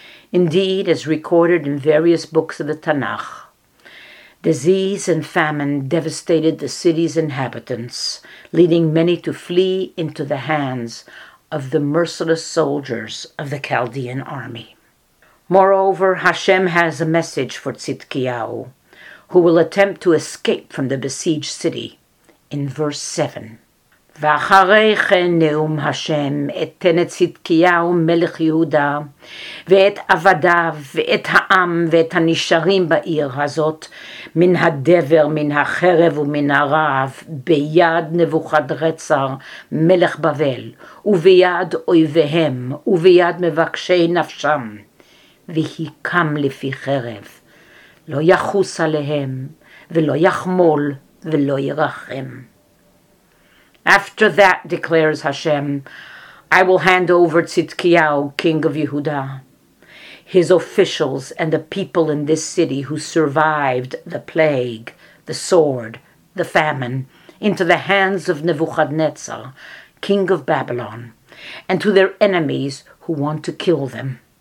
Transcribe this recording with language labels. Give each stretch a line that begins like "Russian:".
English: Indeed, as recorded in various books of the Tanakh, disease and famine devastated the city's inhabitants, leading many to flee into the hands of the merciless soldiers of the Chaldean army. Moreover, Hashem has a message for Tzidkiyahu, who will attempt to escape from the besieged city, in verse 7.
Hebrew: ואחרי כן נאום השם אתן את צדקיהו מלך יהודה ואת עבדיו ואת העם ואת הנשארים בעיר הזאת מן הדבר, מן החרב ומן הרעב ביד נבוכדרצר מלך בבל וביד אויביהם וביד מבקשי נפשם והיקם לפי חרב לא יחוס עליהם ולא יחמול ולא ירחם.
English: After that, declares Hashem, I will hand over Tzidkiyahu, king of Yehuda, his officials, and the people in this city who survived the plague, the sword, the famine, into the hands of Nebuchadnezzar, king of Babylon, and to their enemies who want to kill them.